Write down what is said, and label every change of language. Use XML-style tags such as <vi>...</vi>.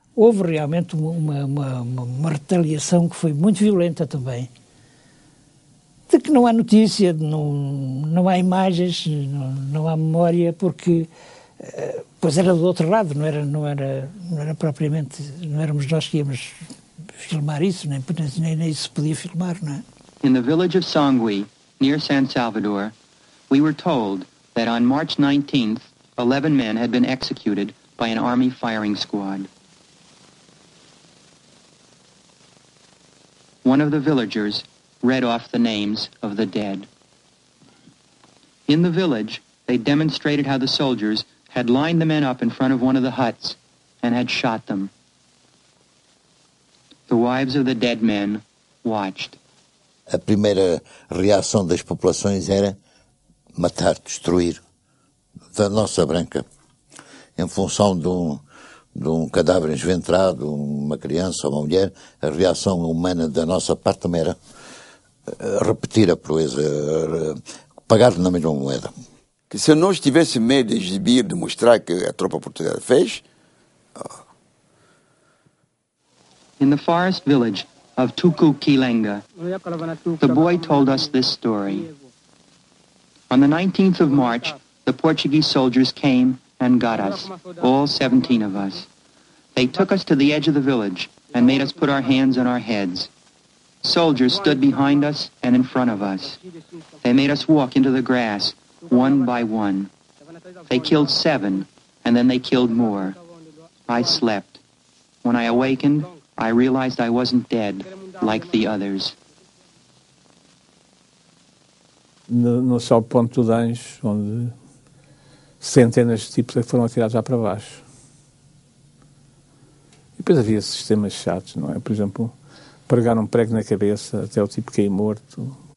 <pt>Houve realmente uma retaliação que foi muito violenta também, de que não há notícia, não há imagens, não há memória, porque... Pois era do outro lado, não era propriamente, não éramos nós que íamos filmar isso, nem isso podia filmar, não é?</pt> <en>In the village of Sangui, near San Salvador, we were told that on March 19th, 11 men had been executed by an army firing squad. One of the villagers read off the names of the dead. In the village, they demonstrated how the soldiers had lined the men up in front of one of the huts and had shot them. The wives of the dead men watched.</en> <pt>A primeira reação das populações era matar, destruir da nossa branca. Em função de um cadáver esventrado, uma criança ou uma mulher, a reação humana da nossa parte também era repetir a proeza, pagar na mesma moeda. Que se nós tivéssemos medo de exibir, de mostrar que a tropa portuguesa fez.</pt> <en>In the forest village of Tucu-Quilenga, the boy told us this story. On the 19th of March, the Portuguese soldiers came and got us, all 17 of us. They took us to the edge of the village and made us put our hands on our heads. Soldiers stood behind us and in front of us. They made us walk into the grass, one by one. They killed 7, and then they killed more. I slept. When I awakened, I realized I wasn't dead, like the others.</en> <pt>No céu Ponto de Anjos, onde centenas de tipos foram atirados lá para baixo. E depois havia sistemas chatos, não é? Por exemplo, pregar um prego na cabeça até o tipo cair morto.</pt>